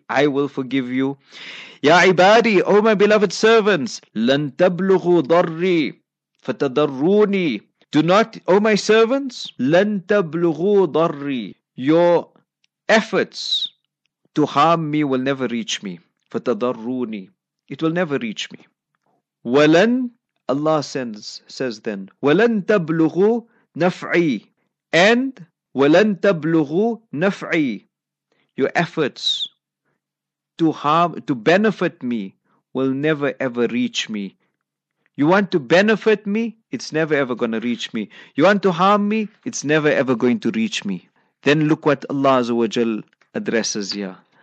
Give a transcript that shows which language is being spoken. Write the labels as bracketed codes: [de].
[en] I will forgive you. [ar] Ya ibadi, [en] O my beloved servants. [ar] Lan tablughu darri. Fatadarruni. [en] Do not, O my servants. [ar] Lan tablughu darri. [en] Your efforts to harm me will never reach me. [ar] Fatadarruni. [en] It will never reach me. Walan. Allah says then, [ar] وَلَن تَبْلُغُوا نَفْعِي and وَلَن تَبْلُغُوا نَفْعِي. [en] Your efforts to benefit me will never ever reach me. You want to benefit me? It's never ever going to reach me. You want to harm me? It's never ever going to reach me. Then look what Allah Azza wa Jal addresses here.